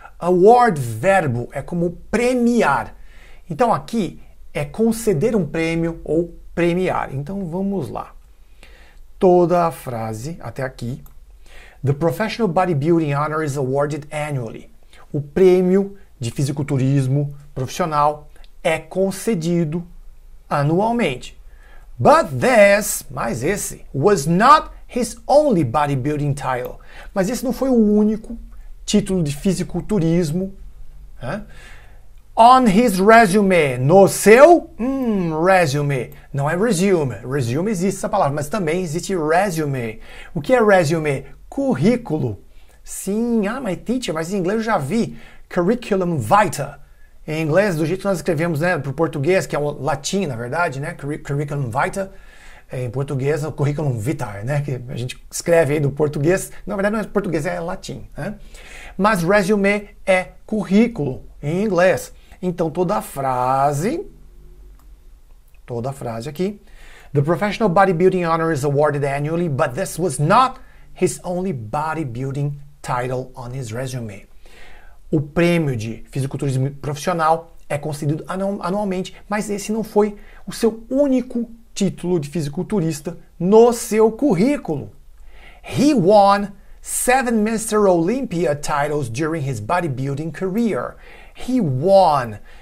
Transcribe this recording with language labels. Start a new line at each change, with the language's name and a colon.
Portuguese: Award, verbo, é como premiar. Então, aqui é conceder um prêmio ou premiar. Então, vamos lá. Toda a frase até aqui.
English: The Professional Bodybuilding Honor is awarded annually.
Portuguese: O prêmio de fisiculturismo profissional é concedido anualmente.
English: But this,
Portuguese: mas esse,
English: was not his only bodybuilding title.
Portuguese: Mas esse não foi o único título de fisiculturismo. Né?
English: On his resume,
Portuguese: no seu resume. Não é resume. Resume existe essa palavra, mas também existe resume. O que é resume? Currículo. Sim, ah,
English: my teacher,
Portuguese: mas em inglês eu já vi. Curriculum vitae. Em inglês, do jeito que nós escrevemos, né, para o português, que é o latim, na verdade, né, curriculum vitae, em português, o curriculum vitae, né, que a gente escreve aí do português, na verdade não é português, é latim. Né? Mas resume é currículo, em inglês. Então, toda a frase aqui.
English: The Professional Bodybuilding Honor is awarded annually, but this was not his only bodybuilding title on his resume.
Portuguese: O prêmio de fisiculturismo profissional é concedido anualmente, mas esse não foi o seu único título de fisiculturista no seu currículo.
English: He won 7 Mr. Olympia titles during his bodybuilding career. He won.